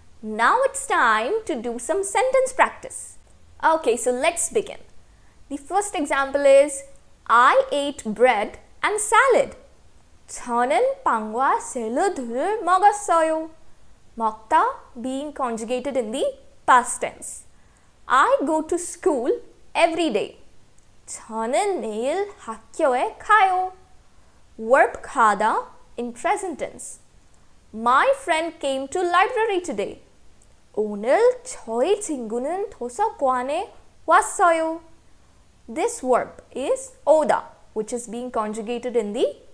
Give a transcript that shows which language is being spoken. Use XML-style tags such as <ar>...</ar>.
<en>Now it's time to do some sentence practice. Okay, so let's begin. The first example is, I ate bread and salad.</en> <ko>저는 빵과 샐러드를 먹었어요.</ko> <en>먹다 being conjugated in the past tense. I go to school every day.</en> <ko>저는 내일 학교에 가요.</ko> <en>Verb 가다 in present tense. My friend came to library today.</en> <ko>오늘 저희 친구는 도서관에 왔어요.</ko> <en>This verb is 오다, which is being conjugated in the</en>